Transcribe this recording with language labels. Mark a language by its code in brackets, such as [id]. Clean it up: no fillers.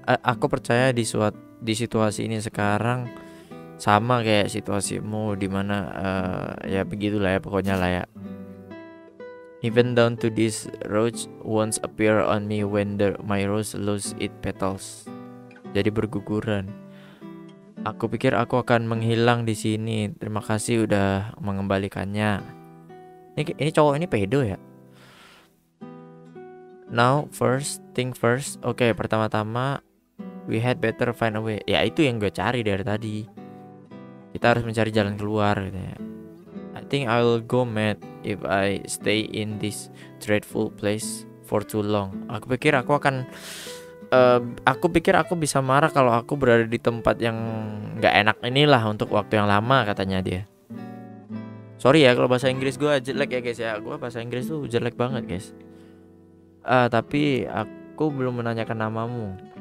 [id] Aku percaya di situasi ini sekarang sama kayak situasimu dimana ya begitulah ya pokoknya lah ya. [en] Even down to this rose once appear on me when my rose lose its petals. [id] Jadi berguguran. Aku pikir aku akan menghilang di sini. Terima kasih udah mengembalikannya. Ini cowok ini pedo ya. [en] Now first thing first. [id] Oke, pertama-tama [en] we had better find a way. [id] Ya itu yang gue cari dari tadi. Kita harus mencari jalan keluar gitu ya. [en] I think I'll go mad if I stay in this dreadful place for too long. [id] Aku pikir aku akan aku pikir aku bisa marah kalau aku berada di tempat yang gak enak inilah untuk waktu yang lama katanya dia. Sorry ya kalau bahasa Inggris gue jelek ya guys ya. Gue bahasa Inggris tuh jelek banget guys. Tapi aku belum menanyakan namamu.